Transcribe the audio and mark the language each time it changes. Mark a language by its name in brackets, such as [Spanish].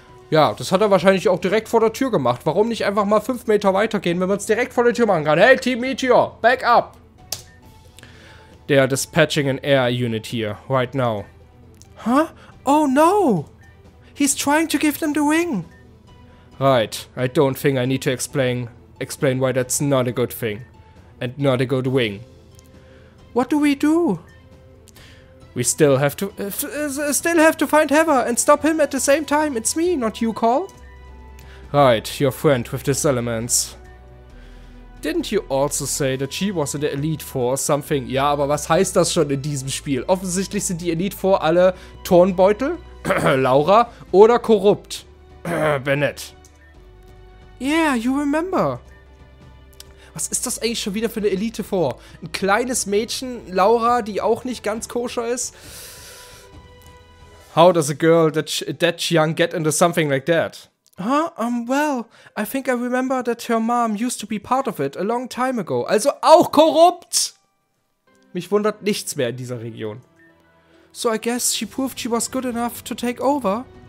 [German] Ja, das hat er wahrscheinlich auch direkt vor der Tür gemacht. Warum nicht einfach mal 5 Meter weitergehen, wenn man es direkt vor der Tür machen kann? [English] Hey, Team Meteor, backup! They are dispatching an air unit here, right now. Huh? Oh no! He's trying to give them the ring! Right, I don't think I need to explain why that's not a good thing. And not a good wing. What do we do? We still have to find Heather and stop him at the same time. It's me, not you, Cole. Right, your friend with the elements. Didn't you also say that she was in the Elite Four or something? [German] Ja, aber was heißt das schon in diesem Spiel? Offensichtlich sind die Elite Four alle Turnbeutel, Laura oder korrupt, Bennett. [English] Yeah, you remember. [German] Was ist das eigentlich schon wieder für eine Elite Four? Ein kleines Mädchen, Laura, die auch nicht ganz koscher ist? [English] How does a girl that young get into something like that? Well, I think I remember that her mom used to be part of it a long time ago. [German] Also auch korrupt! Mich wundert nichts mehr in dieser Region. [English] So I guess she proved she was good enough to take over.